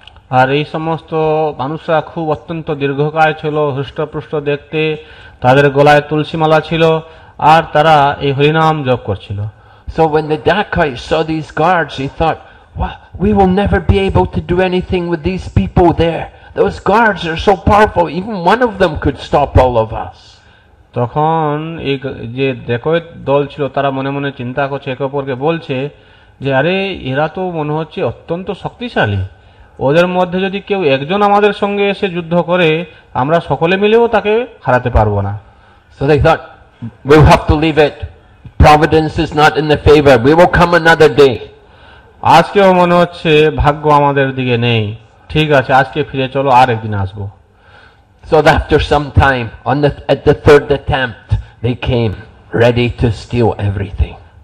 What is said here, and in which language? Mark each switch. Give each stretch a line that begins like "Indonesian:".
Bangla: আর এই সমস্ত মানুষরা খুব অত্যন্ত দীর্ঘকায় ছিল, হৃষ্টপুষ্ট দেখতে, তাদের গলায় তুলসী মালা ছিল আর তারা এই হরিনাম জপ করছিল।
English: So when the dacoits saw these guards, he thought, "Well, we will never be able to do anything with these people there. Those guards are so powerful, even one of them could stop all of us."
Bangla: তখন এই যে ডাকাত দল ছিল তারা মনে মনে চিন্তা করছে, একে অপরকে বলছে যে আরে এরা তো মনে হচ্ছে অত্যন্ত শক্তিশালী, ওদের মধ্যে যদি কেউ একজন আমাদের সঙ্গে এসে যুদ্ধ করে আমরা সকলে মিলেও তাকে হারাতে পারবো না।
English: So they thought, "We will have to leave it. Providence is not in the favor. We will come another day."
Bangla: আজকেও মনে হচ্ছে ভাগ্য আমাদের দিকে নেই, ঠিক আছে আজকে ফিরে চলো আর একদিন আসবো
English: So after some time, on the, at the third attempt, they came, ready to steal everything.